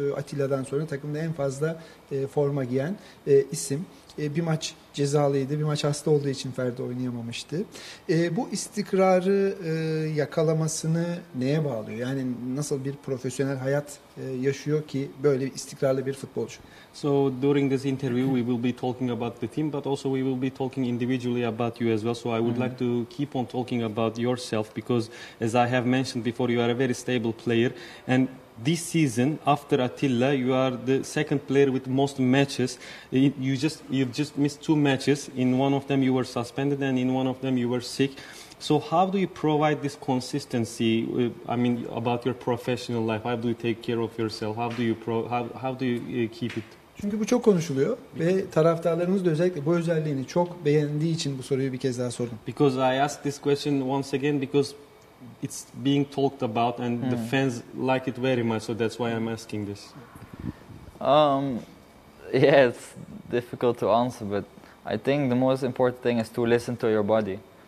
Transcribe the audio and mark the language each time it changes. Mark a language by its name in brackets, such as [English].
[Turkish] Atilla'dan sonra takımda en fazla forma giyen isim. Bir maç cezalıydı, bir maç hasta olduğu için Ferdi oynayamamıştı. Bu istikrarı yakalamasını neye bağlıyor? Yani nasıl bir profesyonel hayat yaşıyor ki böyle istikrarlı bir futbolcu? [English] So during this interview we will be talking about the team, but also we will be talking individually about you as well. So I would like to keep on talking about yourself, because as I have mentioned before, you are a very stable player, and this season, after Atilla, you are the second player with most matches. You've just missed two matches. In one of them, you were suspended, and in one of them, you were sick. So how do you provide this consistency, I mean, about your professional life? How do you take care of yourself? How do you keep it? [Turkish] Çünkü bu çok konuşuluyor ve taraftarlarımız da özellikle bu özelliğini çok beğendiği için bu soruyu bir kez daha sordum. [English] Because I asked this question once again, because it's being talked about and the fans like it very much, so that's why I'm asking this. Yeah, it's difficult to answer, but I think the most important thing is to listen to your body.